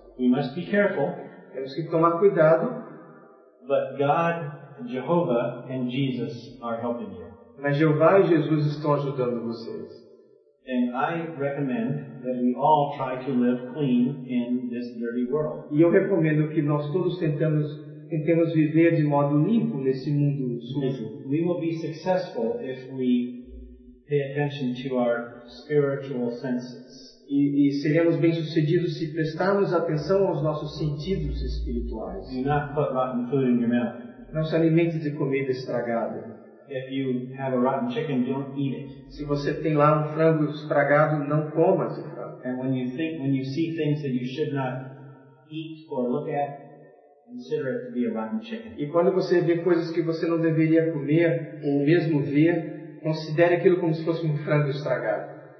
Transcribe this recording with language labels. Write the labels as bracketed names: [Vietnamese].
[English] We must be careful. [Portuguese] Temos que tomar cuidado. [English] But God, Jehovah, and Jesus are helping you. [Portuguese] Mas Jeová e Jesus estão ajudando vocês. [English] And I recommend that we all try to live clean in this dirty world. [Portuguese] E eu recomendo que nós todos tentemos viver de modo limpo nesse mundo sujo. [English] We will be successful if we pay attention to our spiritual senses. [Portuguese] E seremos bem-sucedidos se prestarmos atenção aos nossos sentidos espirituais. [English] Do not put rotten food in your mouth. [Portuguese] Não se alimente de comida estragada. [English] If you have a rotten chicken, don't eat it. [Portuguese] Se você tem lá um frango estragado, não coma esse frango. [English] And when you see things that you should not eat or look at, consider it to be a rotten chicken. [Portuguese] E quando você vê coisas que você não deveria comer ou mesmo ver, considere aquilo como se fosse um frango estragado.